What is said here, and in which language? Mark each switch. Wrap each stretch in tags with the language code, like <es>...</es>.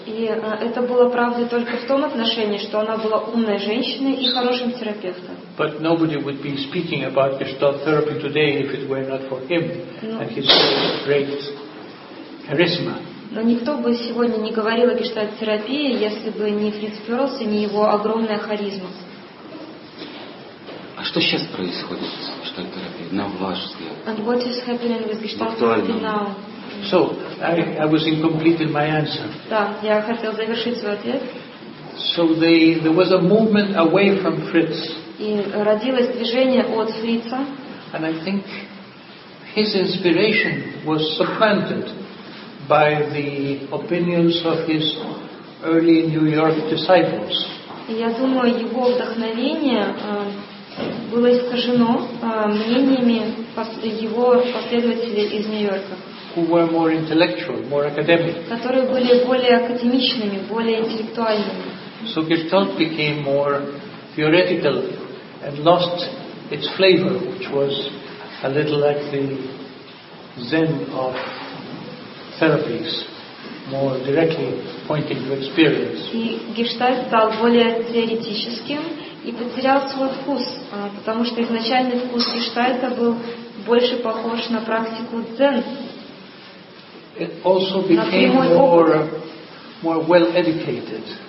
<ru>И это было правдой только в том отношении, что она была умной женщиной и хорошим терапевтом.</ru> <en>But nobody would be speaking about gestalt therapy today if it were not for him and his great charisma.</en> <ru>Но никто бы сегодня не говорил о гештальт терапии, если бы не Фриц Перлс и не его огромная харизма. А что сейчас происходит с гештальт терапией, на ваш взгляд?</ru> <en>And what is happening with gestalt therapy now? So I was incomplete in my answer.</en> <ru>Да, я хотел завершить свой ответ.</ru> <en>So there was a movement away from Fritz.</en> <ru>И родилось движение от Фрица.</ru> <en>And I think his inspiration was supplanted by the opinions of his early New York disciples.</en> <ru>Я думаю, его вдохновение было искажено мнениями его последователей из Нью-Йорка.</ru> <en>Who were more intellectual, more academic.</en> <ru>Которые были более академичными, более интеллектуальными.</ru> <en>So Gestalt became more theoretical and lost its flavor, which was a little like the Zen of therapies, more directly pointing to experience.</en> <ru>И Гештальт стал более теоретическим и потерял свой вкус, потому что изначальный вкус Гештальта был больше похож на практику Дзен.</ru> <en>It also became more well-educated.</en>